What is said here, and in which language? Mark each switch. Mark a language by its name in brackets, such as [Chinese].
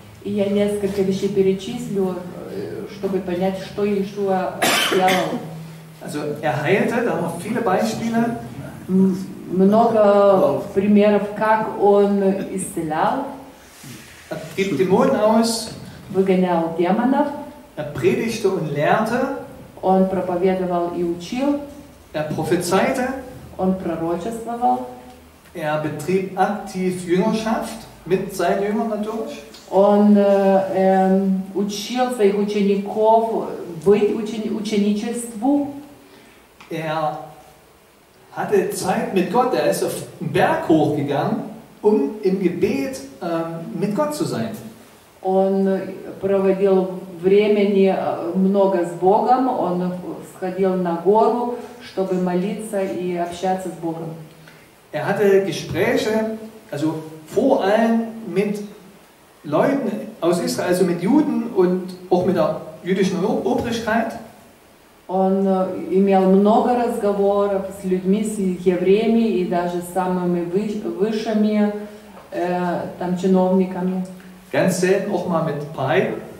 [Russian] Я несколько вещей перечислю, чтобы понять, что Иешуа делал. [German] Also er heilte, da haben wir viele Beispiele. [Russian] Много примеров, как он исцелял. [German] Er gibt Dämonen aus. [Russian] Выгонял демонов. [German] Er predigte und lehrte. [Russian] Он проповедовал и учил. [German] Er prophezeite. [Russian] Он пророчествовал. [German] Er betrieb aktiv Jüngerschaft mit seinen Jüngern natürlich. [Russian] Он учил своих учеников быть ученичеству. [German] Er hatte Zeit mit Gott. Er ist auf den Berg hochgegangen, um im Gebet mit Gott zu sein. [Russian] Он проводил времени много с Богом, он сходил на гору, чтобы молиться и общаться с Богом. [German] Er hatte Gespräche, also vor allem mit Leuten aus Israel, also mit Juden und auch mit der jüdischen Obrigkeit. [Russian] Он имел много разговоров с людьми, с евреями и даже с самыми высшими там чиновниками. [German] Ganz selten auch mal mit Pai.